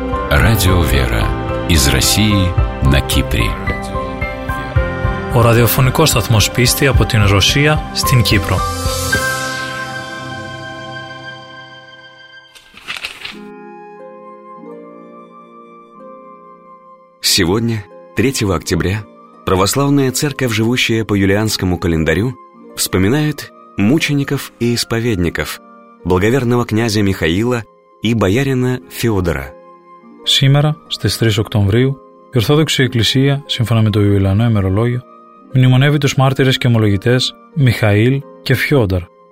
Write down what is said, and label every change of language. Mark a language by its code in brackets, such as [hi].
[ru] Радио «Вера» из России на Кипре. [el] Ο ραδιοφωνικός σταθμός πίστη από την Ρωσία στην Κύπρο. [ru] Сегодня, 3 октября, православная церковь, живущая по юлианскому календарю, вспоминает мучеников и исповедников, благоверного князя Михаила и боярина Феодора. [el] Σήμερα, στις 3 Οκτωβρίου, η Ορθόδοξη Εκκλησία, σύμφωνα με το Ιουλιανό ημερολόγιο, μνημονεύει τους μάρτυρες και ομολογητές Μιχαήλ και Φιόδωρ.